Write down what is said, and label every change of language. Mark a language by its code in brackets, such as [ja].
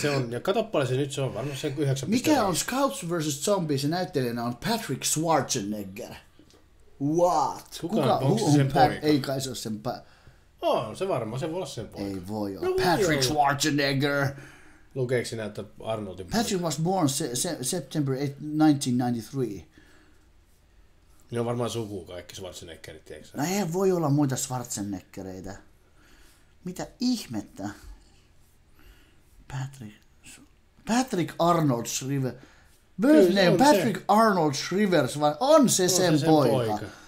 [fi] Se on, ja kato paljon se nyt, se on varmaan sen 9. Mikä on Scouts vs. Zombies? Se näyttelijänä on Patrick Schwarzenegger. [en] What? [fi] Kuka on sen poika? Ei kai se ole sen on, se varmaan, se voi olla sen poika. Ei voi olla. No, Patrick voi olla. Schwarzenegger. Lukeeko sinä, että Arnoldin poika? [en] Patrick was born September 1993. [fi] Ne on varmaan sukuu kaikki Schwarzeneggerit, tiedätkö sä? No ei voi olla muita Schwarzeneggereitä. Mitä ihmettä? Patrick Arnold Shriver. [en] Birth name [fi] on Patrick se. Arnold Shrivers, vai on se on sen se poika. Poika?